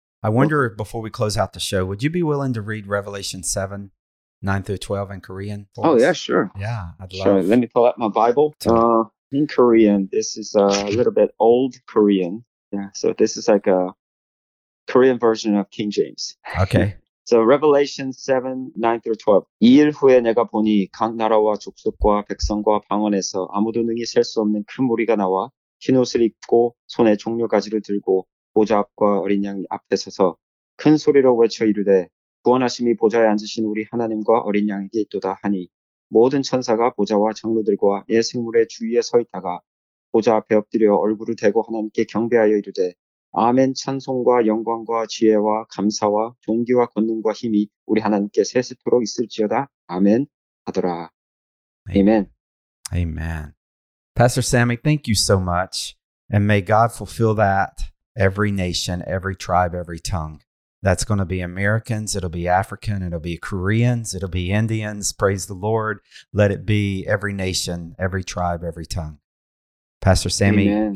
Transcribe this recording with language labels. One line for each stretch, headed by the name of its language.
English: I wonder, before we close out the show, would you be willing to read Revelation 7, 9 through 12 in Korean? Oh, yeah, sure. Yeah, I'd love. Sure. Let me pull out my Bible. In Korean, this is a little bit old Korean. Yeah. So this is like a Korean version of King James. Okay. So Revelation 7, 9 through 12.
Korean: 이 일 후에 내가 보니 각 나라와 족속과 백성과 방언에서 아무도 능히 셀 수 없는 큰 무리가 나와 흰 옷을 입고 손에 종려 가지를 들고 보좌 앞과 어린 양 앞에 서서 큰 소리로 외쳐 이르되 구원하심이 보좌에 앉으신 우리 하나님과 어린 양에게 있도다 하니 모든 천사가 보좌와 장로들과 예생물의 주위에 서 있다가 보좌 앞에 엎드려 얼굴을 대고 하나님께 경배하여 이르되 아멘 찬송과 영광과 지혜와 감사와 존귀와 권능과 힘이 우리 하나님께 세세토록 있을지어다 아멘 하더라. 아멘.
English: Amen. Pastor Sammy, thank you so much. And may God fulfill that every nation, every tribe, every tongue. That's going to be Americans, it'll be African, it'll be Koreans, it'll be Indians. Praise the Lord. Let it be every nation, every tribe, every tongue. Pastor Sammy, Amen.